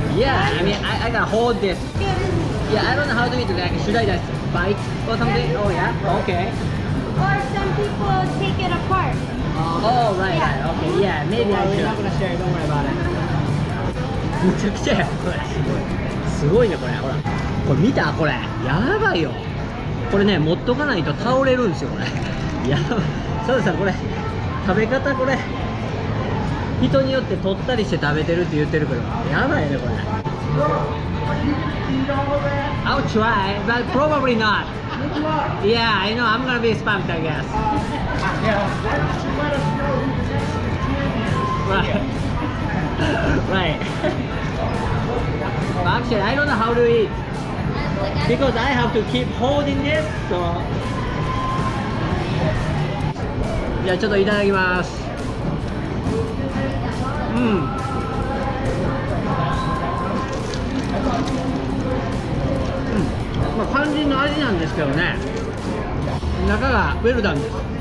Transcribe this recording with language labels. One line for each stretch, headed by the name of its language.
English: Yeah, I mean, I gotta hold this. Yeah, I don't know how to eat it. Like, should I just bite or something? Yeah, oh yeah? Okay. Or some people take it apart. Oh, right. Yeah. Okay, yeah, maybe well, I should. We're not gonna share it, don't worry about it.
Japanese: めちゃくちゃや、これ。すごいね、これ。ほら。これ見た、これやばいよ。これね、持っとかないと倒れるんですよ、これ。やばい。サトシさん、これ食べ方、これ人によって取ったりして食べてるって言ってるけど、やばいね、これ。
English: I'll try, but probably not. Yeah, I know, I'm gonna be spammed, I guess. Right. Right. Actually, I don't know how to eatBecause I have to keep holding this, so...
Japanese: じゃあちょっといただきます。うん、うん、まあ肝心の味なんですけどね、中がウェルダンです。